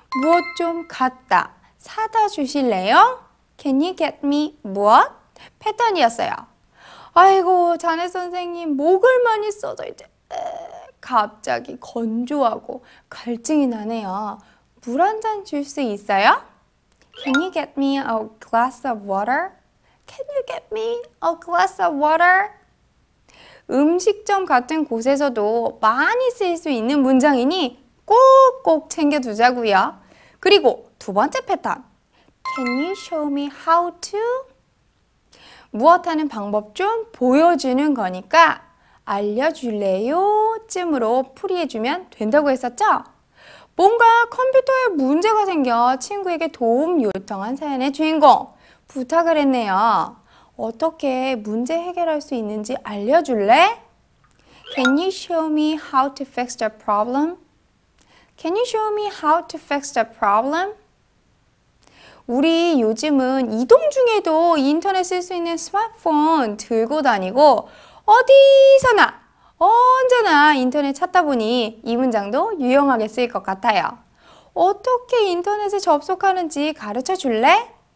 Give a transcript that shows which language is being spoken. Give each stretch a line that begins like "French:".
Korean: 무엇 좀 갖다 사다 주실래요?
English: Can you get me
Korean: 무엇? 패턴이었어요. 아이고, 자네 선생님 목을 많이 써서 이제 갑자기 건조하고 갈증이 나네요. 물 한 잔 줄 수 있어요?
English: Can you get me a glass of water? Can you get me a glass of water?
Korean: 음식점 같은 곳에서도 많이 쓸 수 있는 문장이니 꼭꼭 챙겨두자고요. 그리고 두 번째 패턴.
English: Can you show me how to?
Korean: 무엇 하는 방법 좀 보여주는 거니까 알려줄래요? 쯤으로 풀이해주면 된다고 했었죠? 뭔가 컴퓨터에 문제가 생겨 친구에게 도움 요청한 사연의 주인공. 부탁을 했네요. 어떻게 문제 해결할 수 있는지 알려줄래?
English: Can you show me how to fix the problem? Can you show me how to fix the problem?
Korean: 우리 요즘은 이동 중에도 인터넷 쓸 수 있는 스마트폰 들고 다니고 어디서나 언제나 인터넷 찾다 보니 이 문장도 유용하게 쓰일 것 같아요. 어떻게 인터넷에 접속하는지 가르쳐 줄래?